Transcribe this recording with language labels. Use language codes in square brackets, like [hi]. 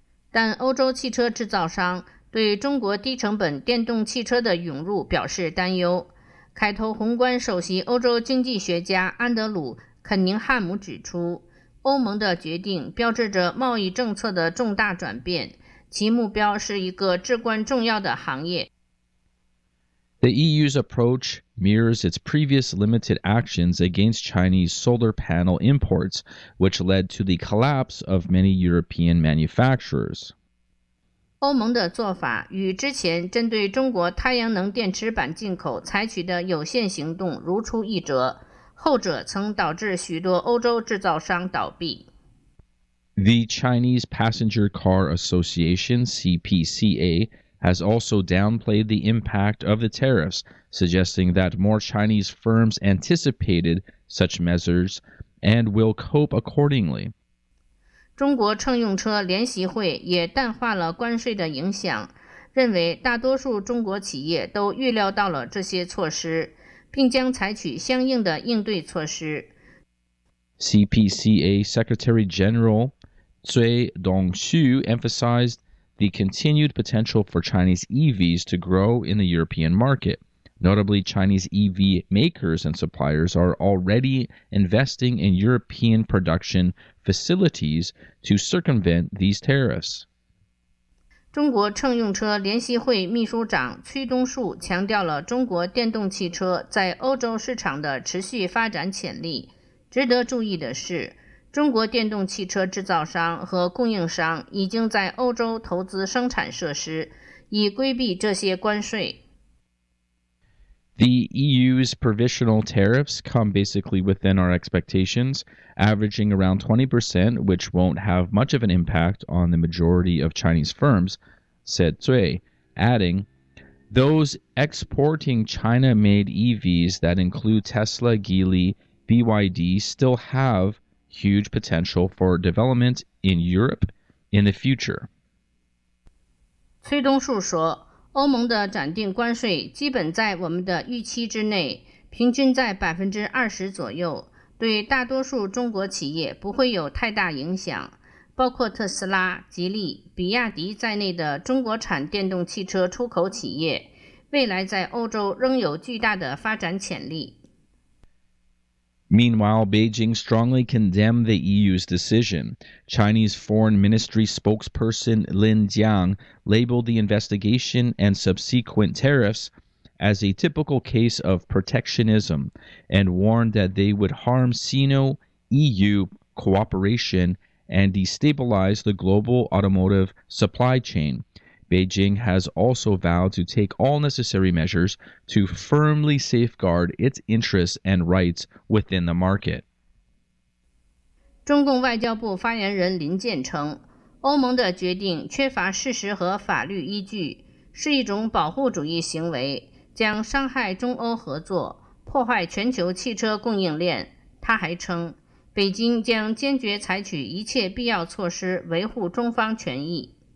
[zh] 但欧洲汽车制造商对中国低成本电动汽车的涌入表示担忧。凯投宏观首席欧洲经济学家安德鲁·肯宁汉姆指出，欧盟的决定标志着贸易政策的重大转变，其目标是一个至关重要的行业。 [en] The EU's approach mirrors its previous limited actions against Chinese solar panel imports, which led to the collapse of many European manufacturers. [zh] 欧盟的做法与之前针对中国太阳能电池板进口采取的有限行动如出一辙。后者曾导致许多欧洲制造商倒闭。 [en] The Chinese Passenger Car Association, CPCA, has also downplayed the impact of the tariffs, suggesting that more Chinese firms anticipated such measures and will cope accordingly. [zh] 中国乘用车联席会也淡化了关税的影响，认为大多数中国企业都预料到了这些措施，并将采取相应的应对措施。 [en] CPCA Secretary General Zui Dongxu emphasized the continued potential for Chinese EVs to grow in the European market. Notably, Chinese EV makers and suppliers are already investing in European production facilities to circumvent these tariffs. [zh] 中国乘用车联席会秘书长崔东树强调了中国电动汽车在欧洲市场的持续发展潜力。值得注意的是，中国电动汽车制造商和供应商已经在欧洲投资生产设施，以规避这些关税。 [en] The EU's provisional tariffs come basically within our expectations, averaging around 20%, which won't have much of an impact on the majority of Chinese firms, said Zui, adding, those exporting China-made EVs that include Tesla, Geely, BYD still have huge potential for development in Europe in the future. [zh] 崔东树说，欧盟的暂定关税基本在我们的预期之内，平均在 20% 左右，对大多数中国企业不会有太大影响。包括特斯拉、吉利、比亚迪在内的中国产电动汽车出口企业，未来在欧洲仍有巨大的发展潜力。 [en] Meanwhile, Beijing strongly condemned the EU's decision. Chinese Foreign Ministry spokesperson Lin Jiang labeled the investigation and subsequent tariffs as a typical case of protectionism and warned that they would harm Sino-EU cooperation and destabilize the global automotive supply chain. Beijing has also vowed to take all necessary measures to firmly safeguard its interests and rights within the market. [zh] 中共外交部发言人林健称，欧盟的决定缺乏事实和法律依据，是一种保护主义行为，将伤害中欧合作，破坏全球汽车供应链。他还称，北京将坚决采取一切必要措施维护中方权益。